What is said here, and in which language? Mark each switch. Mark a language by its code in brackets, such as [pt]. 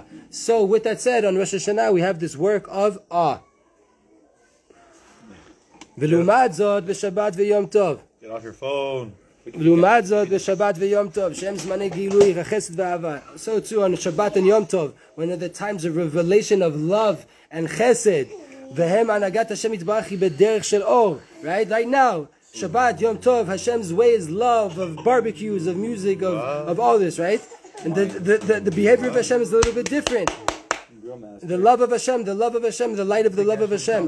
[en] So, with that said, on Rosh Hashanah, we have this work of awe. [he] ולעומת זאת בשבת ויום טוב. [en] Get off your phone. [he] ולעומת זאת בשבת ויום טוב, שהם זמני גילוי, חסד ואהבה. [en] So too on Shabbat and Yom Tov, when are the times of revelation of love and chesed, והם הנהגת השם יתברך היא בדרך של אור. Right? Right now, Shabbat, Yom Tov, Hashem's way is love, of barbecues, of music, of all this, right? And the behavior of Hashem is a little bit different. The love of Hashem, the love of Hashem, the light of the love of Hashem.